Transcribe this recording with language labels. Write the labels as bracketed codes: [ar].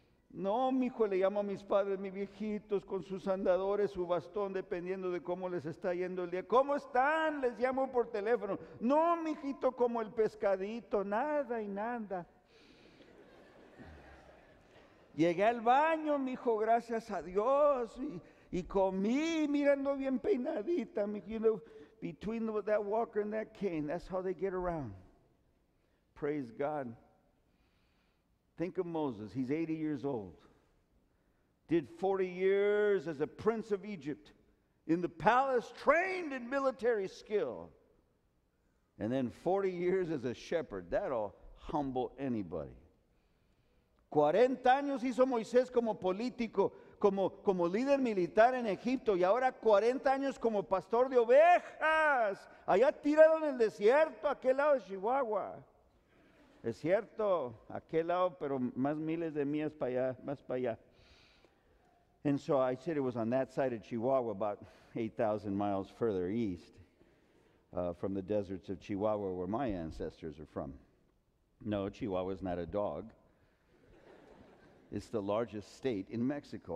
[es] No, mijo, le llamo a mis padres, mis viejitos, con sus andadores, su bastón, dependiendo de cómo les está yendo el día. ¿Cómo están? Les llamo por teléfono. No, mijito, como el pescadito, nada y nada. Llegué al baño, mijo, gracias a Dios, y comí, mirando bien peinadita, mijo. [en] You know, between that walker and that cane, that's how they get around. Praise God. Think of Moses, he's 80 years old, did 40 years as a prince of Egypt in the palace, trained in military skill, and then 40 years as a shepherd. That'll humble anybody. [es] 40 años hizo Moisés como político, como líder militar en Egipto, y ahora 40 años como pastor de ovejas, allá tirado en el desierto, aquel lado de Chihuahua. Es cierto, aquel lado, pero más miles de millas para allá, más para allá. [en] And so I said it was on that side of Chihuahua, about 8,000 miles further east from the deserts of Chihuahua where my ancestors are from. No, Chihuahua is not a dog. It's the largest state in Mexico.